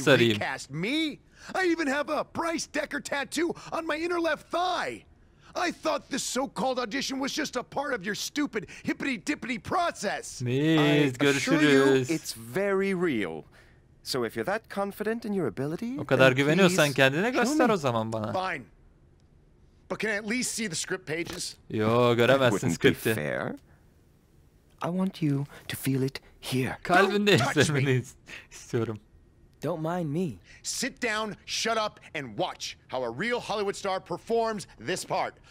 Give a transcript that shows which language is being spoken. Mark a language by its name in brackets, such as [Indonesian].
[English] recast me. I even have a Bryce Decker tattoo on my inner left thigh. I thought this so-called audition was just a part of your stupid hippity-dippity process. Miz, I assure you, it's very real. So if you're that confident in your ability, [Turkish] o kadar güveniyorsan kendine göster o zaman bana. [English] Fine. But can I at least see the script pages? [Turkish] Yo, göremezsin skripti. [English] I want you to feel it here. [Turkish] Kalbinde hissetmeni istiyorum. [English] Don't mind me. Sit down, shut up, and watch how a real Hollywood star performs this part.